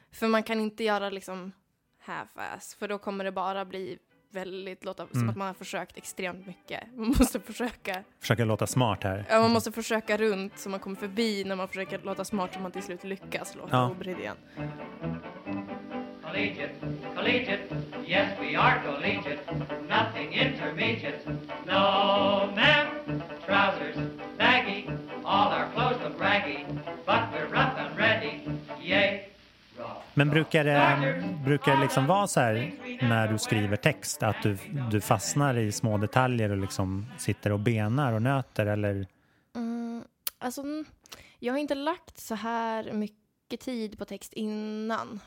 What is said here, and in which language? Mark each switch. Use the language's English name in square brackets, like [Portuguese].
[Swedish] För man kan inte göra liksom half-ass, för då kommer det bara bli väldigt låta som att man har försökt extremt mycket. Man måste försöka låta smart här. Ja, man måste försöka runt så man kommer förbi när man försöker låta smart så man till slut lyckas låta obrydd igen. [English] Collegiate, collegiate, yes we are collegiate, nothing intermediate, no ma'am, trousers baggy, all our clothes look raggy, but we're rough and ready, yay. [Swedish] Men brukar det liksom vara så här när du skriver text att du fastnar i små detaljer och liksom sitter och benar och nöter eller? Alltså, jag har inte lagt så här mycket tid på text innan.